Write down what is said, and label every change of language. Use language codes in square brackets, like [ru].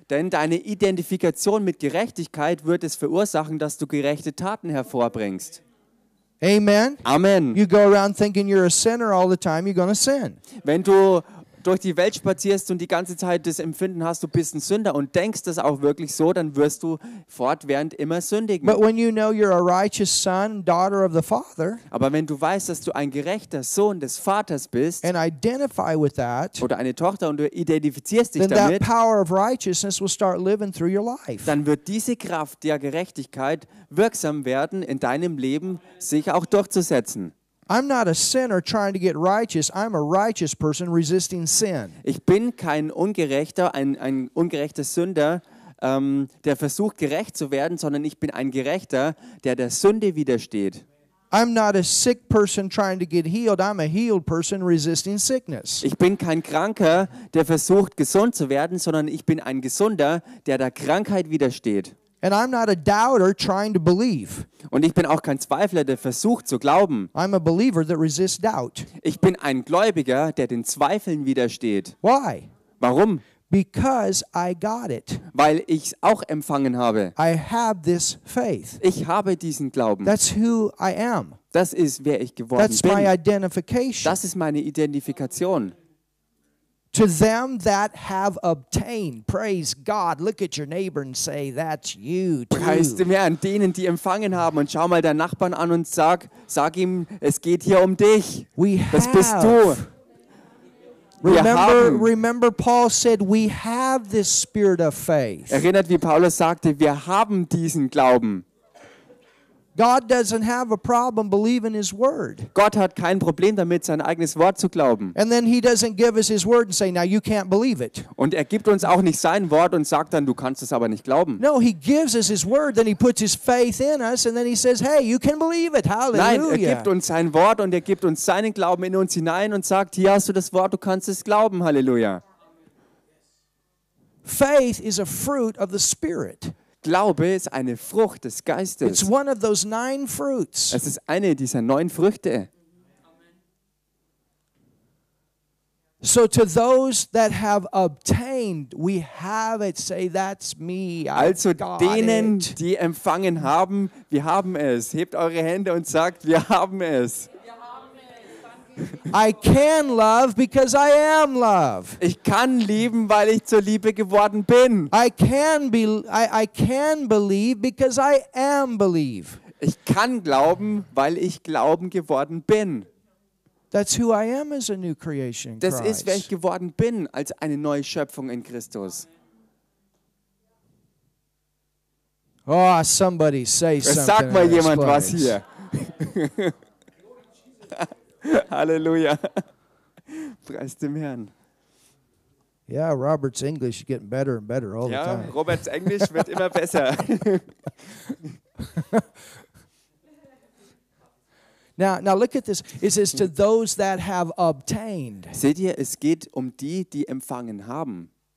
[de] Denn deine Identifikation mit Gerechtigkeit wird es verursachen, dass du gerechte Taten hervorbringst. [en] Amen. [de] Amen. [en] You go around thinking you're a sinner all the time, you're gonna sin. [de] Wenn du durch die Welt spazierst und die ganze Zeit das Empfinden hast, du bist ein Sünder und denkst das auch wirklich so, dann wirst du fortwährend immer sündigen. [en] But when you know you're a righteous son, daughter of the Father, [de] aber wenn du weißt, dass du ein gerechter Sohn des Vaters bist, [en] and identify with that, [de] oder eine Tochter und du identifizierst dich [en] then [de] damit, [en] that power of righteousness will start living through your life. [de] Dann wird diese Kraft der Gerechtigkeit wirksam werden, in deinem Leben sich auch durchzusetzen. [en] I'm not a sinner trying to get righteous. I'm a righteous person resisting sin. [de] Ich bin kein Ungerechter, ein ungerechter Sünder, der versucht gerecht zu werden, sondern ich bin ein Gerechter, der Sünde widersteht. [en] I'm not a sick person trying to get healed. I'm a healed person resisting sickness. [de] Ich bin kein Kranker, der versucht gesund zu werden, sondern ich bin ein Gesunder, der Krankheit widersteht. [en] And I'm not a doubter trying to believe. [de] Und ich bin auch kein Zweifler, der versucht zu glauben. [en] I'm a believer that resists doubt. [de] Ich bin ein Gläubiger, der den Zweifeln widersteht. [en] Why? [de] Warum? [en] Because I got it. [de] Weil ich es auch empfangen habe. [en] I have this faith. [de] Ich habe diesen Glauben. [en] That's who I am. [de] Das ist, wer ich geworden [en] That's [de] bin. [en] My identification. [de] Das ist meine Identifikation. [en] To them that have obtained, praise God. Look at your neighbor and say, that's you too. [de] Preis dem Herrn, denen, die empfangen haben. Und schau mal deinen Nachbarn an und sag ihm, es geht hier um dich. [en] We [de] das [en] have. [de] Bist du. [en] Remember, Paul said, we have this spirit of faith. [de] Erinnert, wie Paulus sagte, wir haben diesen Glauben. [en] God doesn't have a problem believing his word. [de] Gott hat kein Problem damit, sein eigenes Wort zu glauben. [en] And then he doesn't give us his word and say, now you can't believe it. [de] Und gibt uns auch nicht sein Wort und sagt dann, du kannst es aber nicht glauben. [en] No, he gives us his word, then he puts his faith in us and then he says, hey, you can believe it. Hallelujah. [de] Nein, gibt uns sein Wort und gibt uns seinen Glauben in uns hinein und sagt, hier hast du das Wort, du kannst es glauben. Halleluja. [en] Faith is a fruit of the Spirit. [de] Glaube ist eine Frucht des Geistes. [en] It's one of those nine fruits. [de] Es ist eine dieser neun Früchte. [en] So to those that have obtained, we have it, say that's me. [de] Also denen, die empfangen haben, wir haben es. Hebt eure Hände und sagt, wir haben es. [en] I can love because I am love. [de] Ich kann lieben, weil ich zur Liebe geworden bin. [en] I can believe because I am believe. [de] Ich kann glauben, weil ich glauben geworden bin. [en] That's who I am as a new creation in [de] Christ. Das ist, wer ich geworden bin als eine neue Schöpfung in Christus. [en] Oh, somebody say something. [de] Sag mal jemand was hier. Halleluja. Preis dem Herrn. [en] Yeah, Robert's English is getting better and better all the time. [de] Ja, Roberts Englisch wird immer besser. [en] Now look at this. It says to those that have obtained. [de] Seht ihr, es geht um die, die empfangen haben.